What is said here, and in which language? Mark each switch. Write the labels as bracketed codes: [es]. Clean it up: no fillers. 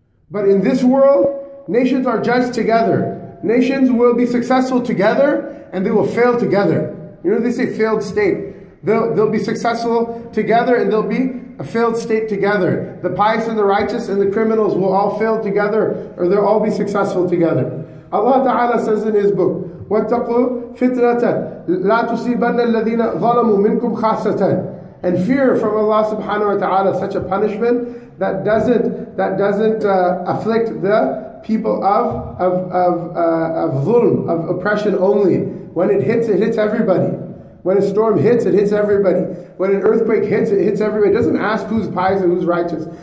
[en] But in this world, nations are judged together. Nations will be successful together, and they will fail together. You know, they say failed state. They'll be successful together, and they'll be a failed state together. The pious and the righteous and the criminals will all fail together, or they'll all be successful together. Allah Ta'ala says in His book, [ar] وَاتَّقُوا فِتْنَةً لَا تُصِيبَنَّ الَّذِينَ ظَلَمُوا مِنْكُمْ خَاسَةً. [en] And fear from Allah subhanahu wa ta'ala, such a punishment that doesn't afflict the people of dhulm, of oppression only. When it hits everybody. When a storm hits, it hits everybody. When an earthquake hits, it hits everybody. It doesn't ask who's pious and who's righteous.